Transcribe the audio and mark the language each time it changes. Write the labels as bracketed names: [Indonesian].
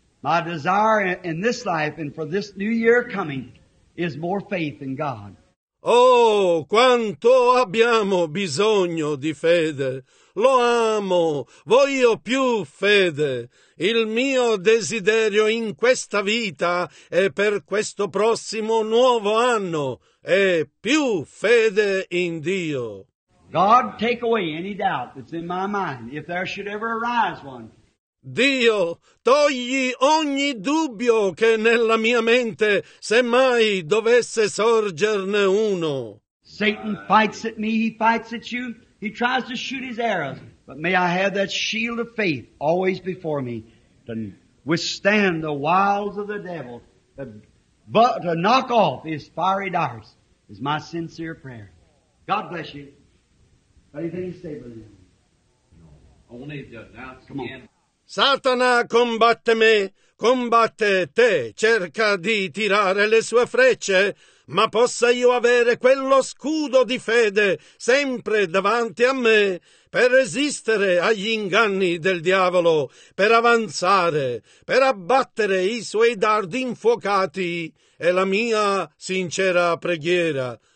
[English] My desire in this life and for this new year coming is more faith in God. [Italian] Oh, quanto abbiamo bisogno di fede. Lo amo. Voglio più fede. Il mio desiderio in questa vita e per questo prossimo nuovo anno è più fede in Dio. [English] God, take away any doubt that's in my mind, if there should ever arise one. [Italian] Dio, togli ogni dubbio che nella mia mente semmai dovesse sorgerne uno. [English] Satan fights at me, he fights at you, he tries to shoot his arrows. But may I have that shield of faith always before me to withstand the wiles of the devil, to knock off his fiery darts, is my sincere prayer. God bless you. Anything to say, brother? No. Only the doubts. Come on. [Italian] Satana combatte me, combatte te, cerca di tirare le sue frecce, ma possa io avere quello scudo di fede sempre davanti a me per resistere agli inganni del diavolo, per avanzare, per abbattere i suoi dardi infuocati, è la mia sincera preghiera.